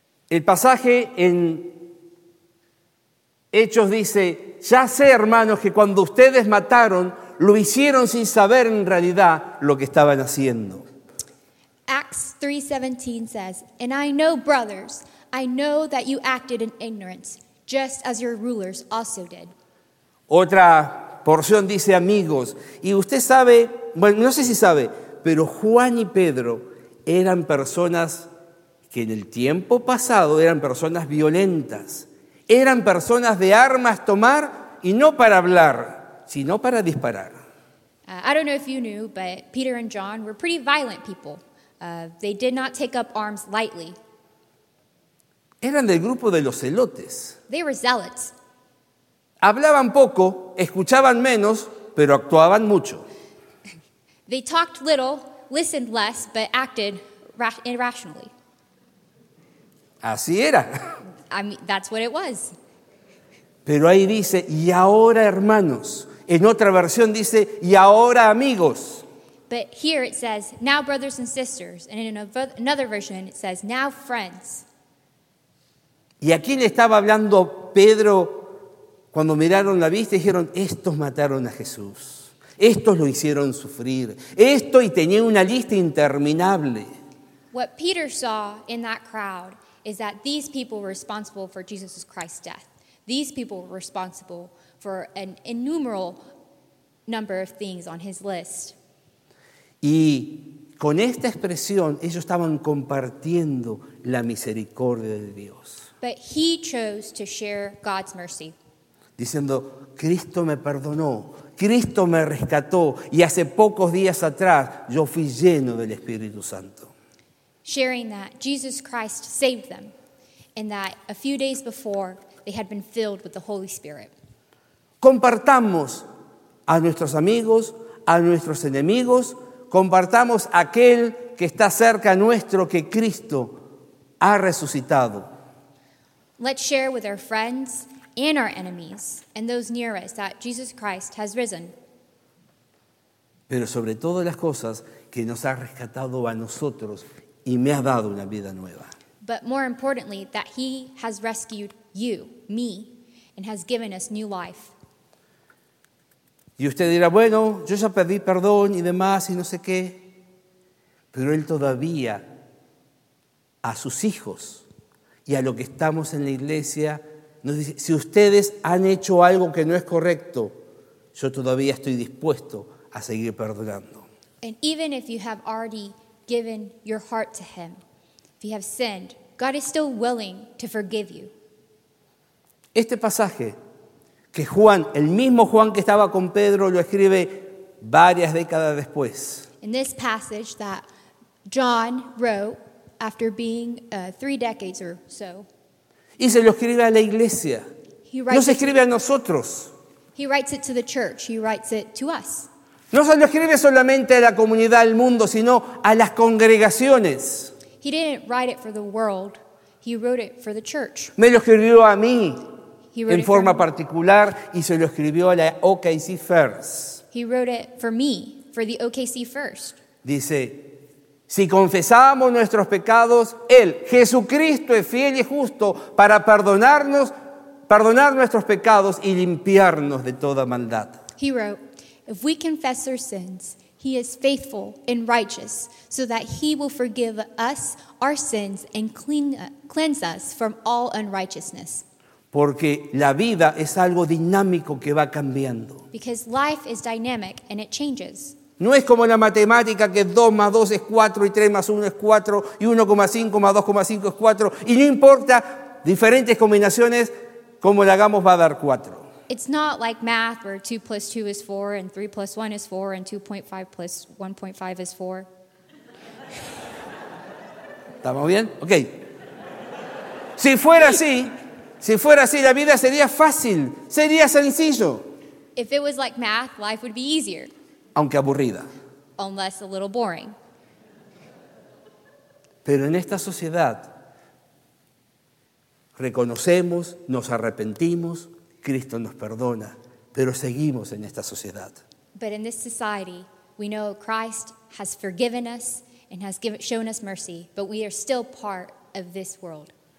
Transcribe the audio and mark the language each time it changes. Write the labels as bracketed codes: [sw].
[es] El pasaje en Hechos dice, ya sé, hermanos, que cuando ustedes mataron, lo hicieron sin saber en realidad lo que estaban haciendo. [en] Acts 3:17 says, and I know, brothers, I know that you acted in ignorance, just as your rulers also did. [es] Otra porción dice, amigos, y usted sabe, bueno, no sé si sabe, pero Juan y Pedro eran personas que en el tiempo pasado eran personas violentas. Eran personas de armas tomar y no para hablar, sino para disparar. [en] I don't know if you knew, but Peter and John were pretty violent people. They did not take up arms lightly. [es] Eran del grupo de los zelotes. [en] They were zealots. [es] Hablaban poco, escuchaban menos, pero actuaban mucho. [en] They talked little, listened less, but acted irrationally. [es] Así era. [en] I mean, that's what it was. [es] Pero ahí dice, y ahora, hermanos. En otra versión dice, y ahora, amigos. [en] But here it says, now, brothers and sisters. And in another version it says, now, friends. [es] ¿Y a quién estaba hablando Pedro cuando miraron la vista? Dijeron, estos mataron a Jesús. Estos lo hicieron sufrir. Esto, y tenía una lista interminable. [en] What Peter saw in that crowd is that these people were responsible for Jesus Christ's death. These people were responsible for an innumerable number of things on his list. [es] Y con esta expresión, ellos estaban compartiendo la misericordia de Dios. [en] But he chose to share God's mercy. [es] Diciendo, Cristo me perdonó, Cristo me rescató, y hace pocos días atrás yo fui lleno del Espíritu Santo. [en] Sharing that Jesus Christ saved them and that a few days before they had been filled with the Holy Spirit. [es] Compartamos a nuestros amigos, a nuestros enemigos, compartamos aquel que está cerca nuestro que Cristo ha resucitado. [en] Let's share with our friends and our enemies and those near us that Jesus Christ has risen. [es] Pero sobre todas las cosas que nos ha rescatado a nosotros y me ha dado una vida nueva. [en] But more importantly, that he has rescued you, me, and has given us new life. [es] Y usted dirá, bueno, yo ya pedí perdón y demás y no sé qué. Pero él todavía, a sus hijos y a lo que estamos en la iglesia, nos dice, si ustedes han hecho algo que no es correcto, yo todavía estoy dispuesto a seguir perdonando. [en] And even if you have already given your heart to him, if you have sinned, God is still willing to forgive you. [es] Este pasaje que Juan, el mismo Juan que estaba con Pedro, lo escribe varias décadas después. [en] In this passage that John wrote after being 3 decades or so. [es] Y se lo escribe a la iglesia. No se escribe a nosotros. [en] He writes it to the church. He writes it to us. [es] No se lo escribe solamente a la comunidad del mundo, sino a las congregaciones. [en] He didn't write it for the world. He wrote it for the church. [es] Me lo escribió a mí en forma particular y se lo escribió a la OKC First. [en] He wrote it for me, for the OKC First. [es] Dice, si confesamos nuestros pecados, Él, Jesucristo, es fiel y justo para perdonar nuestros pecados y limpiarnos de toda maldad. [en] He wrote, if we confess our sins, he is faithful and righteous so that he will forgive us our sins and cleanse us from all unrighteousness. [es] Porque la vida es algo dinámico que va cambiando. [en] Because life is dynamic and it changes. [es] No es como la matemática que 2 más 2 es 4 y 3 más 1 es 4 y 1,5 más 2,5 es 4 y no importa diferentes combinaciones como la hagamos va a dar 4. [en] It's not like math where 2 plus 2 is 4 and 3 plus 1 is 4 and 2.5 plus 1.5 is 4. [es] ¿Estamos bien? Ok. Si fuera así, la vida sería fácil. Sería sencillo. [en] If it was like math, life would be easier. [es] Aunque aburrida. [en] Unless a little boring. [es] Pero en esta sociedad, reconocemos, nos arrepentimos, Cristo nos perdona, pero seguimos en esta sociedad. [en] But in this society, we know Christ has forgiven us and has shown us mercy, but we are still part of this world.